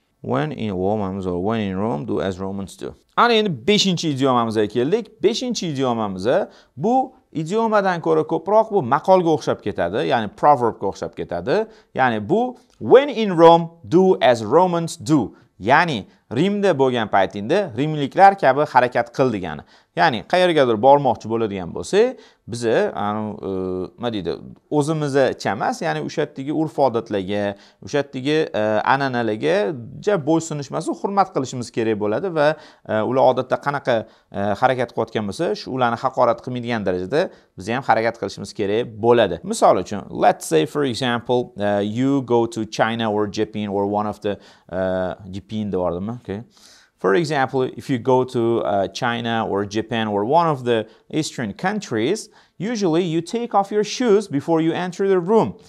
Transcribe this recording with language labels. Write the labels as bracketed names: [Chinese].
[English] When in Romans or when in Rome, do as Romans do. [Uzbek] Ana endi 5-chi idiomamizga keldik. 5-chi idiomamiz bu idiomadan ko'ra ko'proq bu maqolga o'xshab ketadi, ya'ni proverbga o'xshab ketadi. Ya'ni bu [English] when in Rome, do as Romans do. [Uzbek] Ya'ni Rimda bo'lgan paytingda rimliklar kabi harakat qil degani. Ya'ni qayergadir bormoqchi bo'ladigan bo'lsa, biz nima deydi, o'zimizcha emas, ya'ni o'sha yerdagi urf-odatlarga, o'sha yerdagi an'analarga bo'ysunishmasdan hurmat qilishimiz kerak bo'ladi va ular odatda qanaqa harakat qilayotgan bo'lsa, shu ularni haqorat qilmaydigan darajada biz ham harakat qilishimiz kerak bo'ladi. Misol uchun, [English] let's say for example, you go to China or Japan or one of the Japan the world. Okay. For example, if you go to China or Japan or one of the Eastern countries, usually you take off your shoes before you enter the room.